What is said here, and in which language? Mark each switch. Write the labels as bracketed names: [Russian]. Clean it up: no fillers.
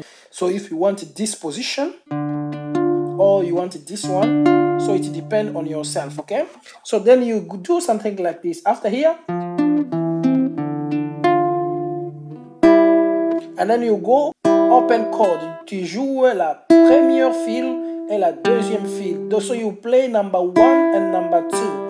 [English] So if you want this position, or you want this one, so it depends on yourself, okay? So then you do something like this. After here, and then you go open chord. [French] Tu joues la première file et la deuxième file. [English] So you play number one and number two.